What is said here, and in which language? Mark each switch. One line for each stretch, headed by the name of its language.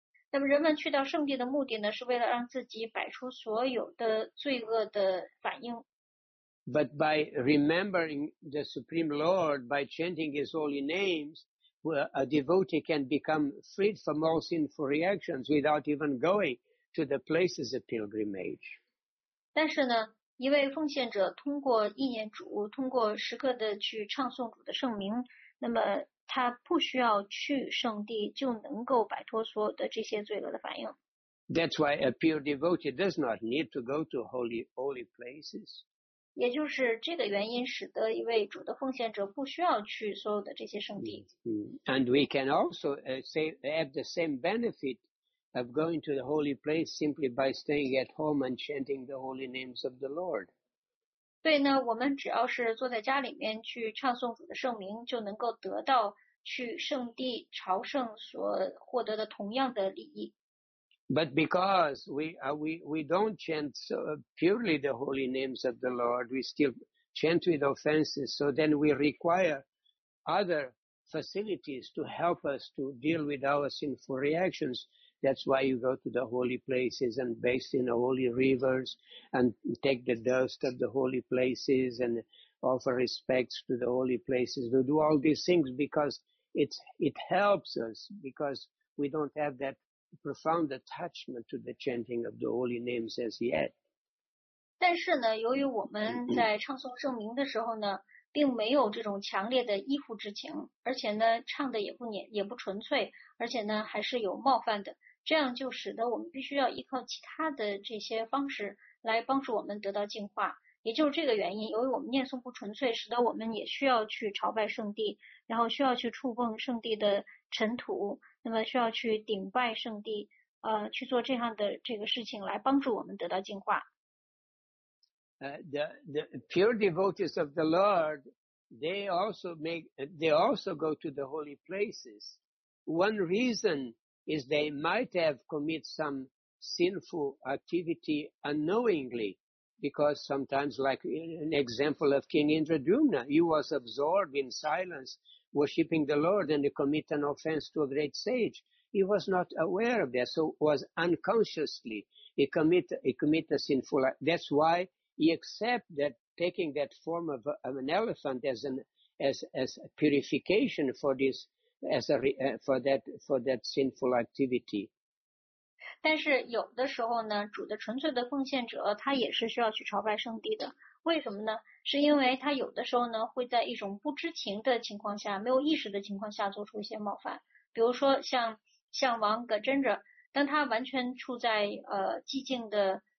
Chinese: 那么人们去到圣地的目的呢，是为了让自己摆出所有的罪恶的反应。
English: But by remembering the Supreme Lord, by chanting His holy names, a devotee can become freed from all sinful reactions without even going to the places of pilgrimage.
Chinese: 但是呢，一位奉献者通过意念主，通过时刻的去唱诵主的圣名，那么他不需要去圣地就能够摆脱所有的这些罪恶的反应。
English: That's why a pure devotee does not need to go to holy places.
Chinese: 也就是这个原因使得一位主的奉献者不需要去所有的这些圣地。
English: And we can also have the same benefit of going to the holy place simply by staying at home and chanting the holy names of the Lord.
Chinese: 对呢，我们只要是坐在家里面去唱诵主的圣名，就能够得到去圣地朝圣所获得的同样的利益。
English: But because we don't chant purely the holy names of the Lord, we still chant with offenses. So then we require other facilities to help us to deal with our sinful reactions. That's why you go to the holy places and bathe in the holy rivers and take the dust of the holy places and offer respects to the holy places. We do all these things because it helps us, because we don't have that profound attachment to the chanting of the holy names as yet.
Chinese: 但是呢，由于我们在唱诵圣名的时候呢，并没有这种强烈的依附之情，而且呢，唱的也不纯粹，而且呢，还是有冒犯的。这样就使得我们必须要依靠其他的这些方式来帮助我们得到净化。也就是这个原因，由于我们念诵不纯粹，使得我们也需要去朝拜圣地，然后需要去触碰圣地的尘土，那么需要去顶拜圣地，去做这样的这个事情来帮助我们得到净化。
English: The pure devotees of the Lord, they also go to the holy places. One reason is they might have committed some sinful activity unknowingly, because sometimes, like an example of King Indradyumna, he was absorbed in silence, worshipping the Lord, and he committed an offense to a great sage. He was not aware of that, so was unconsciously he committed a sinful act. That's why. He accept that taking that form of an elephant as a purification for this, for that sinful activity.
Chinese: 但是有的时候呢，主的纯粹的奉献者，他也是需要去朝拜圣地的。为什么呢？是因为他有的时候呢，会在一种不知情的情况下，没有意识的情况下做出一些冒犯。比如说像王格真者，当他完全处在寂静的。